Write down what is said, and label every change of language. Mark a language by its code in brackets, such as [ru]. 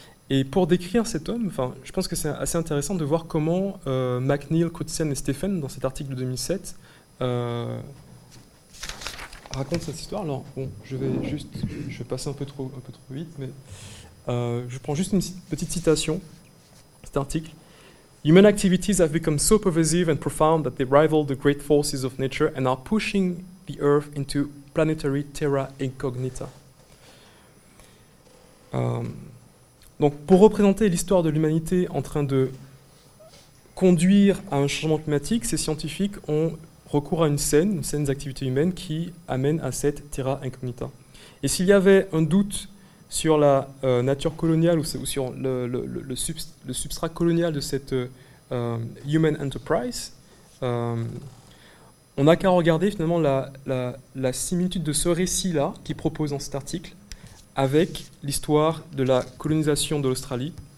[fr] Et pour décrire cet homme, je pense que c'est assez intéressant de voir comment McNeil, Crutzen et Stephen, dans cet article de 2007, racontent cette histoire. Alors, bon, je vais passer un peu trop vite, mais je prends juste une petite citation, cet article. [en] Human activities have become so pervasive and profound that they rival the great forces of nature and are pushing the Earth into planetary terra incognita. [fr] Donc, pour représenter l'histoire de l'humanité en train de conduire à un changement climatique, ces scientifiques ont recours à une scène d'activité humaine qui amène à cette terra incognita. Et s'il y avait un doute sur la nature coloniale ou sur le substrat colonial de cette [en] human enterprise, [fr] on n'a qu'à regarder finalement la similitude de ce récit-là qu'il propose dans cet article avec l'histoire de la colonisation de l'Australie.